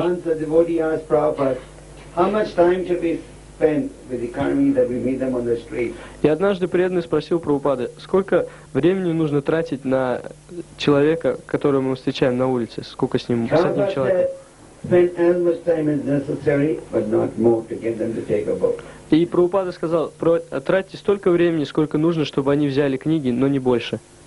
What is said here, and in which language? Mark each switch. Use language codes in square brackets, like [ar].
[en] Once a devotee asked Prabhupada, how much time should we spend with the karmi that we meet them on the street? [ru] И однажды преданный спросил Прабхупады, сколько времени нужно тратить на человека, которого мы встречаем на улице, сколько с ним, с одним человеком. [en] Spend as much time as necessary, but not more to get them to take a book. [ru] И Прабхупада сказал, тратьте столько времени, сколько нужно, чтобы они взяли книги, но не больше.